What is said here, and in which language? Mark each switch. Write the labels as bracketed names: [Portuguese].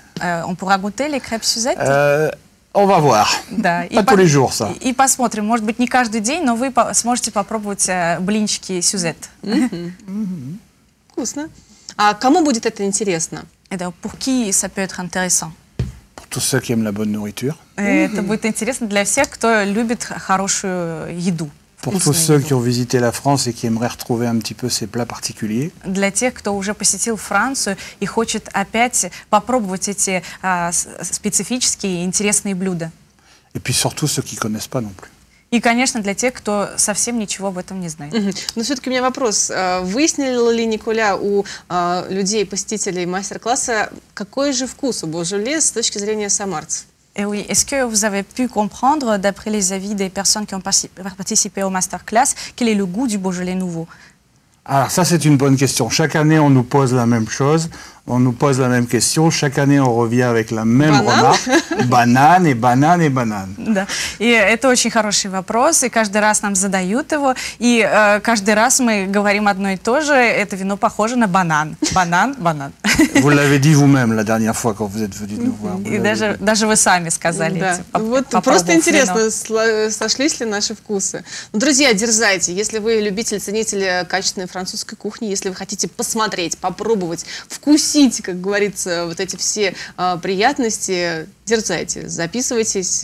[French] On pourra goûter les крэп-сюзет? On va voir. [Russian] Да. [French] Pas tous les jours, ça. [Russian] И посмотрим. Может быть, не каждый день, но вы сможете попробовать блинчики сюзет. Mm-hmm. Mm-hmm. Вкусно. А кому будет это интересно? [French] Это pour qui ça peut être intéressant? Pour tous ceux qui aiment la bonne nourriture. [Russian] Это будет интересно для всех, кто любит хорошую еду. [French] Pour tous ceux qui ont visité la France et qui aimeraient retrouver un petit peu ces plats particuliers. [Russian] Для тех, кто уже посетил Францию и хочет опять попробовать эти специфические и интересные блюда. [French] Et puis surtout ceux qui connaissent pas non plus. [Russian] И, конечно, для тех, кто совсем ничего об этом не знает. Mm-hmm. Но все-таки у меня вопрос. Выяснил ли Николя у людей, посетителей мастер-класса, какой же вкус у Божоле с точки зрения самарцев? [French] Et oui, est-ce que vous avez pu comprendre, d'après les avis des personnes qui ont participé au masterclass, quel est le goût du Beaujolais nouveau? Alors ça, c'est une bonne question. Chaque année, on nous pose la même chose, on nous pose la même question. Chaque année, on revient avec la même remarque. Banane et banane et banane. [Russian] Да. И это очень хороший вопрос, и каждый раз нам задают его, и каждый раз мы говорим одно и то же. Это вино похоже на банан. Банан, банан. [French] Vous l'avez dit vous-même la dernière fois, quand vous êtes venu нous voir. [Russian] И даже вы сами сказали. Да. Вот просто интересно, сошлись ли наши вкусы. Ну, друзья, дерзайте. Если вы любитель, ценитель качественной французской кухни, если вы хотите посмотреть, попробовать, вкусить, как говорится, вот эти все приятности, дерзайте, записывайтесь.